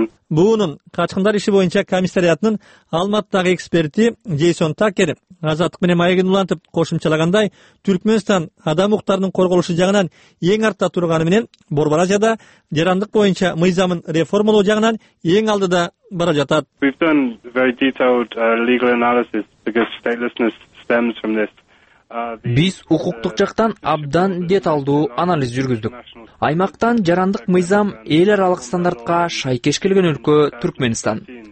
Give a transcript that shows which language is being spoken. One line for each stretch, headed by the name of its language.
Kyrgyz: Буунун качкындар иши боюнча комиссариатынын Алматыдагы эксперти Джейсон Такер Азаттык менен маегин улантып кошумчалагандай, Түркмөнстан адам укуктарынын корголушу жагынан эң артта турганы менен Борбор Азияда жарандык боюнча мыйзамын реформалоо жагынан эң алдыда бара жатат.
English: We've done very detailed legal analysis because statelessness stems from this.
Kyrgyz: Биз укуктук жактан абдан деталдуу анализ жүргүздүк. Аймактан жарандык мыйзам эл аралык стандартка шайкеш келген өлкө Түркмөнстан.